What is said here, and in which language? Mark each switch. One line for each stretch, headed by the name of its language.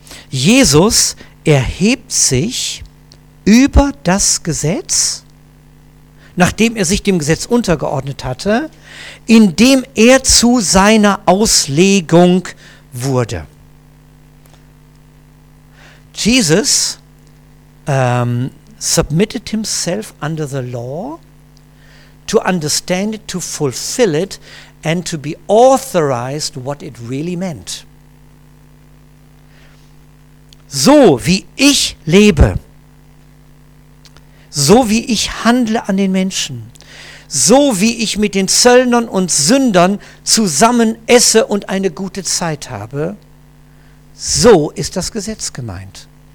German: Jesus erhebt sich über das Gesetz, nachdem er sich dem Gesetz untergeordnet hatte, indem er zu seiner Auslegung wurde.
English: Jesus submitted himself under the law to understand it, to fulfill it, and to be authorized what it really meant.
German: So wie ich lebe, so wie ich handle an den Menschen, so wie ich mit den Zöllnern und Sündern zusammen esse und eine gute Zeit habe, so ist das Gesetz gemeint.